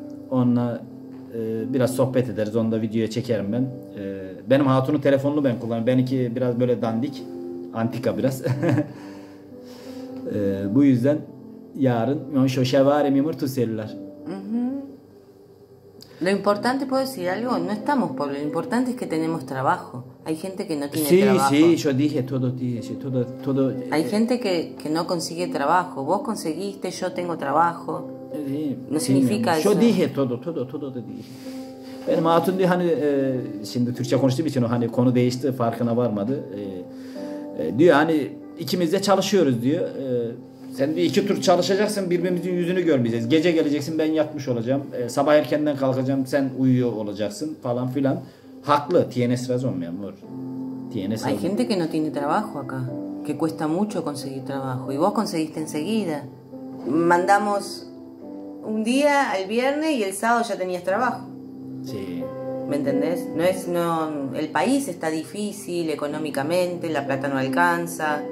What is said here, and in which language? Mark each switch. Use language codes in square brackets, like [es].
[tr] Onunla biraz sohbet ederiz. Onu da videoya çekerim ben. Benim hatunun telefonunu ben kullanıyorum. Benimki biraz böyle dandik. Antika biraz. bu yüzden yarın şevarim yumur tuseliler. [es] Lo importante, puedo decir algo, no estamos pobres, lo importante es que tenemos trabajo. Hay gente que no tiene trabajo. Sí, yo dije todo. Hay gente que no consigue trabajo. Vos conseguiste, yo tengo trabajo. No significa eso. Yo dije todo te dije. [tr] Benim hatun diyor hani, şimdi Türkçe konuştuğum için o hani konu değişti, farkına varmadı. Diyor hani ikimiz de çalışıyoruz diyor. Sen diyor iki tur çalışacaksın, birbirimizin yüzünü görmeyeceğiz. Gece geleceksin, ben yatmış olacağım. Sabah erkenden kalkacağım, sen uyuyor olacaksın falan filan. [es] Haklı. Tienes razón, mi amor. Tienes razón. Hay gente que no tiene trabajo acá. Que cuesta mucho conseguir trabajo. Y vos conseguiste enseguida. Mandamos un día al viernes y el sábado ya tenías trabajo. Sí. ¿Me entendés? No es, no, el país está difícil económicamente, la plata no alcanza.